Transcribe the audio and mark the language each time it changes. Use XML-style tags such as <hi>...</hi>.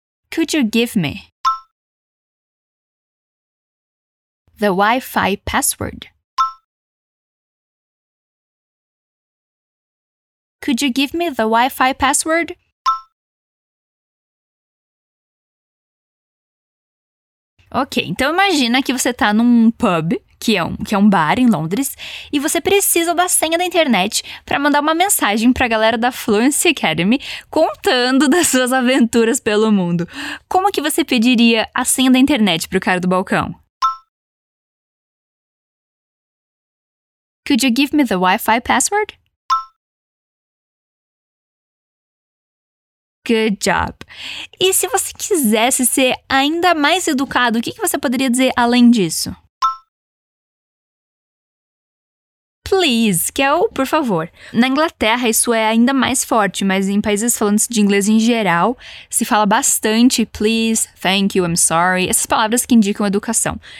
<en>Could you give me the Wi-Fi password? Could you give me the Wi-Fi password?</en> <pt>Ok, então imagina que você está num pub, que é um bar em Londres, e você precisa da senha da internet para mandar uma mensagem para a galera da Fluency Academy contando das suas aventuras pelo mundo. Como que você pediria a senha da internet para o cara do balcão?</pt> <en>Could you give me the Wi-Fi password? Good job.</en> <pt>E se você quisesse ser ainda mais educado, o que você poderia dizer além disso? Please, que é o por favor. Na Inglaterra, isso é ainda mais forte, mas em países falando de inglês em geral, se fala bastante</pt> <en>please, thank you, I'm sorry,</en> <pt>essas palavras que indicam educação.</pt>